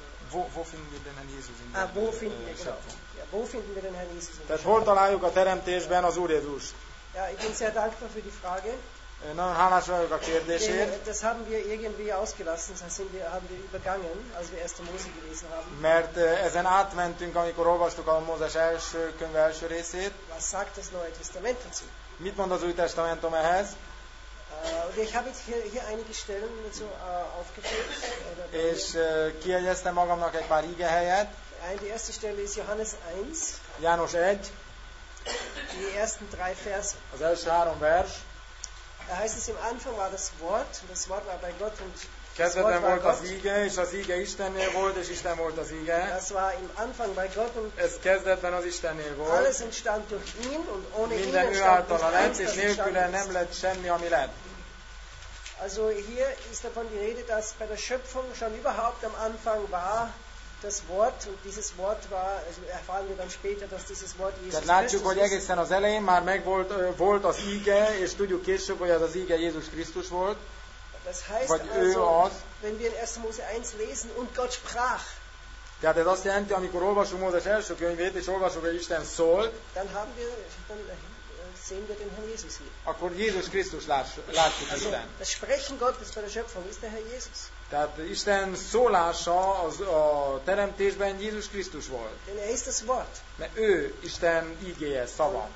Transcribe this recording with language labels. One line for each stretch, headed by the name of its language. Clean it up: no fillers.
German: Wo finden wir den Herrn Jesus in der Schöpfung? Wo finden wir den Herrn Jesus?
Hungarian: Tehát hol találjuk a teremtésben az Úr Jézust?
German: Ja, ich bin sehr dankbar für die Frage.
Hungarian: Nagyon hálás vagyok a kérdésért.
German: Das haben wir irgendwie ausgelassen, haben wir übergangen, als wir erste Mose gelesen haben.
Hungarian: Mert ezen átmentünk, amikor olvastuk a Mózes első könyve első részét.
German: Was sagt das Neue Testament dazu?
Hungarian: Mit mond az Új Testamentum ehhez?
German: Ich habe hier einige Stellen dazu aufgeführt.
Hungarian: És kijegyeztem magamnak egy pár ige helyet.
German: Die erste Stelle ist Johannes 1.
Hungarian: János 1.
German: Die ersten drei Verse.
Hungarian: Az első három vers.
German: Da heißt es, im Anfang war das Wort, und das Wort war bei Gott, und
Hungarian: kezdetben volt az íge, és az íge Istennél volt, és Isten volt az íge.
German: Das war im Anfang bei Gott, und
Hungarian: ez kezdetben az Istennél volt.
German: Alles entstand durch ihn, und ohne ihn
Hungarian: minden ő általa lett, és nélküle nem lett semmi, ami lett.
German: Also hier ist davon die Rede, dass bei der Schöpfung schon überhaupt am Anfang war Das Wort, dieses Wort war, also erfahren wir dann später, dass dieses Wort Jesus Christus.
Hungarian: Látjuk, hogy egészen az elején már megvolt volt az íge, és tudjuk később, hogy az íge Jézus Krisztus volt.
German: Das heißt vagy also, wenn wir in 1. Mose 1 lesen und Gott sprach.
Hungarian: Tehát ez azt jelenti, amikor olvasunk Mózes első könyvét, és olvasunk, hogy Isten szólt.
German: Dann haben wir, dann sehen wir den Herrn Jesus hier.
Hungarian: Akkor Jézus Krisztus látjuk
German: also,
Hungarian: Isten.
German: Das Sprechen Gottes bei der Schöpfung ist der Herr Jesus.
Hungarian: Tehát Isten szólása az a teremtésben Jézus Krisztus volt.
German: Denn er ist das Wort.
Hungarian: Mert ő Isten ígéje, szava.